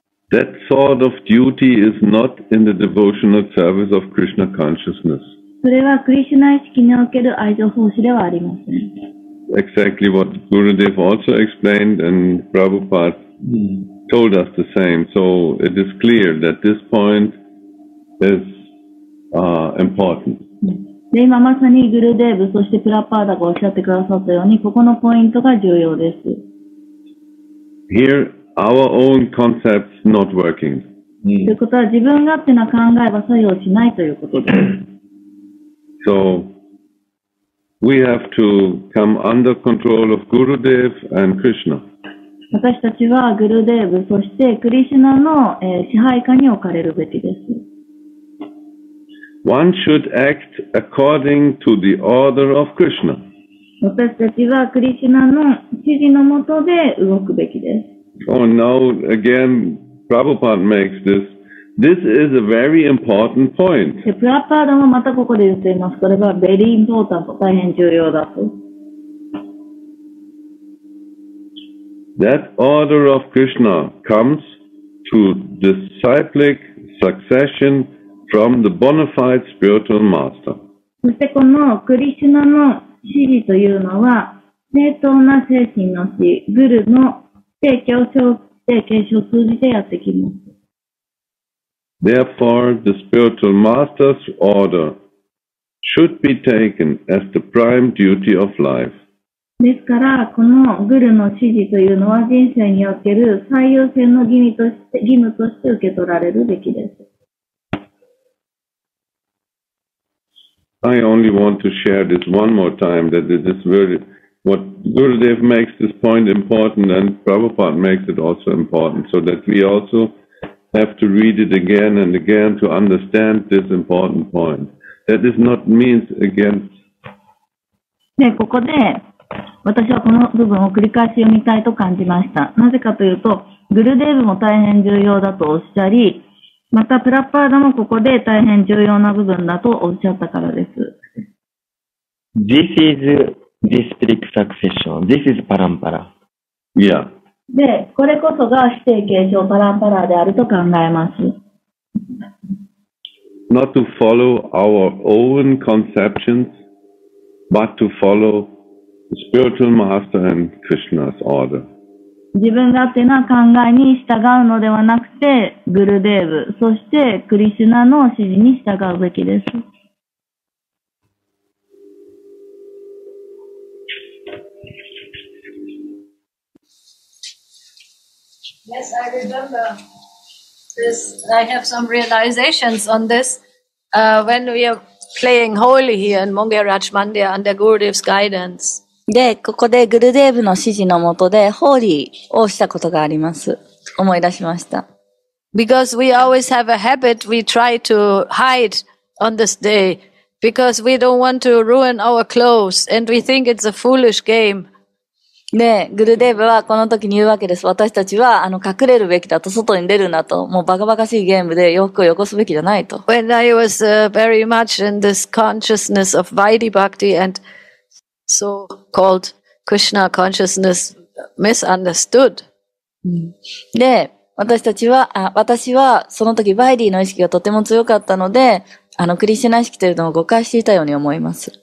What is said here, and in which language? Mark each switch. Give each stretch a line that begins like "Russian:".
English: That sort of duty is not in the devotional service of Krishna consciousness.
Japanese: それはクリシュナ意識における愛情奉仕ではありません。
English: Exactly what Gurudev also explained and Prabhupada、mm. told us the same, so it is clear that this point is important.
Japanese: で、今まさにグルデーブ、そしてプラパーダがおっしゃってくださったように、ここのポイントが重要です。
English: Here, our own concepts not working.
Japanese: ということは、自分勝手な考えは作用しないということです。
English: So, we have to come under control of Gurudev and Krishna.
Japanese: 私たちはグルデーブそしてクリシュナの、支配下に置かれるべきです。
English: One should act according to the order of Krishna.
Japanese: 私たちはクリシュナの指示のもとで動くべきです。
English: Oh, now again, Prabhupada makes this. This is a very important point.
Japanese: プラパーダもまたここで言っています。これは
English: very important
Japanese: 大変重要だと。
English: That order of Krishna comes to the cyclic succession from the bona fide spiritual master.
Japanese: そしてこのクリシュナの指示というのは正当な精神の師、グルの提供を継承を通じてやってきます。
English: Therefore, the spiritual master's order should be taken as the prime duty of life.
Japanese: ですから、このグルの指示というのは人生における最優先の義務として受け取られるべきです。
English: I only want to share this one more time that this is very, what Gurudev makes this point important and Prabhupada makes it also important, so that we also have to read it again and again to understand this important point. That is not means against.
Japanese: ね、ここで私はこの部分を繰り返し読みたいと感じました。なぜかというと、グルデーブも大変重要だとおっしゃり、またプラッパーダもここで大変重要な部分だとおっしゃったからです。
English: This is district succession. This is parampara. Yeah.
Japanese: で、これこそが指定継承パランパラであると考えます。
English: Not to follow our own conceptions, but to followspiritual master and Krishna's order.
Japanese: 自分勝手な考えに従うのではなくて、グルデーブ、そしてクリシュナの指示に従うべきです。
English: Yes, I remember this. I have some realizations on this. When we are playing holy here in Mongeraj Mandir under Gurudev's guidance.
Japanese: で、ここでグルデーブの指示のもとで、ホーリーをしたことがあります。思い出しました。
English: Because we always have a habit we try to hide on this day. Because we don't want to ruin our clothes and we think it's a foolish game.
Japanese: で、グルデーブはこの時に言うわけです。私たちは、隠れるべきだと、外に出るなと、もうバカバカしいゲームで洋服をよこすべきじゃないと。
English: When I was very much in this consciousness of Vaidhi Bhakti andso called Krishna consciousness misunderstood.
Japanese: で、私はその時バイディの意識がとても強かったので、クリシュナ意識というのを誤解していたように思います。